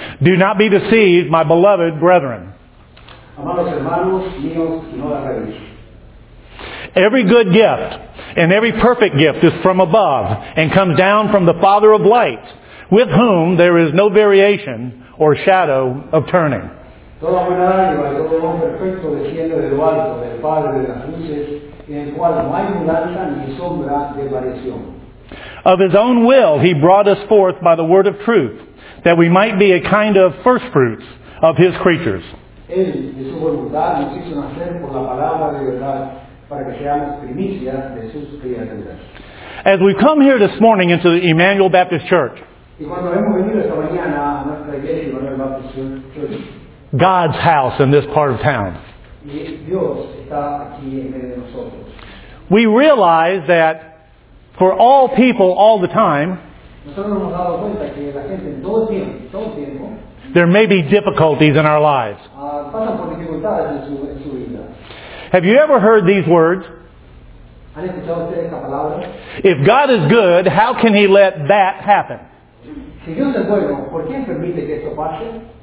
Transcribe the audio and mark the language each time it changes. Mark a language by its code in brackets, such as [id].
[en] Do not be deceived, my beloved brethren. Every good gift and every perfect gift is from above and comes down from the Father of lights, with whom there is no variation or shadow of turning. [es] Toda buena dádiva y todo don perfecto desciende de lo alto, del Padre de las luces, en el cual no hay mudanza ni sombra de variación. [en] Of His own will He brought us forth by the word of truth, that we might be a kind of first fruits of His creatures. [es] Él, de su voluntad, nos hizo nacer por la palabra de verdad, para que seamos primicias de sus criaturas. [en] As we come here this morning into the Emmanuel Baptist Church, [es] y cuando hemos venido esta mañana a nuestra iglesia, Emmanuel Baptist Church, [en] God's house in this part of town, [es] Dios está aquí en medio de nosotros. [en] We realize that for all people all the time, [es] nosotros hemos dado cuenta que la gente todo el tiempo, [en] there may be difficulties in our lives. [es] Pasan por dificultades en su vida. [en] Have you ever heard these words? [es] ¿Han escuchado usted esta palabra? [en] If God is good, how can He let that happen? [es] Si Dios es bueno, ¿por qué permite que esto pase?